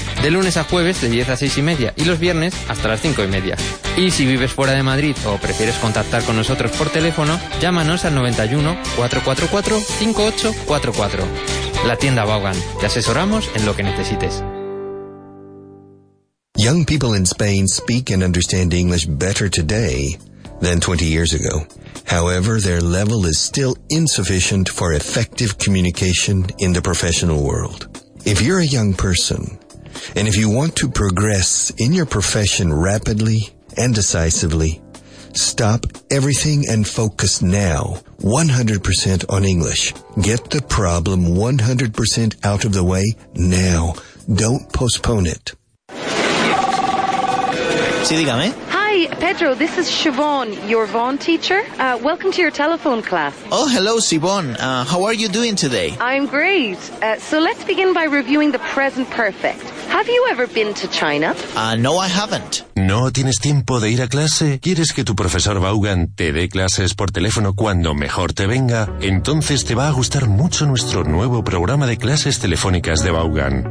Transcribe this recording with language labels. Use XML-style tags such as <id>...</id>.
<es>De lunes a jueves de 10 a 6 y media y los viernes hasta las 5 y media. Y si vives fuera de Madrid o prefieres contactar con nosotros por teléfono, llámanos al 91-444-5844. La tienda Vaughan. Te asesoramos en lo que necesites.</es> <en>Young people in Spain speak and understand English better today than 20 years ago. However, their level is still insufficient for effective communication in the professional world. If you're a young person, and if you want to progress in your profession rapidly and decisively, stop everything and focus now 100% on English. Get the problem 100% out of the way now. Don't postpone it.</en> <es>Sí, dígame.</es> <en>Hi, Pedro, this is Siobhan, your Vaughan teacher. Welcome to your telephone class. Oh, hello, Siobhan. How are you doing today? I'm great. So let's begin by reviewing the present perfect. Have you ever been to China? No, I haven't.</en> <es>¿No tienes tiempo de ir a clase? ¿Quieres que tu profesor Vaughan te dé clases por teléfono cuando mejor te venga? Entonces te va a gustar mucho nuestro nuevo programa de clases telefónicas de Vaughan.</es>